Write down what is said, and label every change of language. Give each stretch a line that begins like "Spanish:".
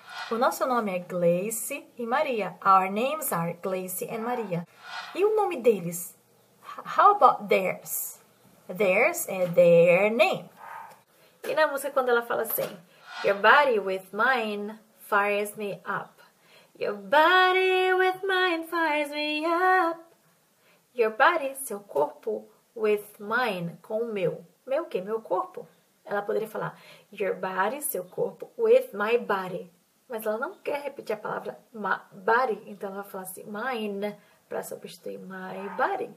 Portuguese: O nosso nome é Gleice e Maria.
English: Our names are Gleice and Maria.
Portuguese: E o nome deles?
English: How about theirs? Theirs é their name.
Portuguese: E na música, quando ela fala assim:
English: Your body with mine fires me up. Your body with mine fires me up. Your body,
Portuguese: seu corpo,
English: with mine,
Portuguese: com o meu. Meu o quê? Meu corpo. Ela poderia falar
English: your body,
Portuguese: seu corpo,
English: with my body.
Portuguese: Mas ela não quer repetir a palavra body, então ela vai falar assim, mine, para substituir my body.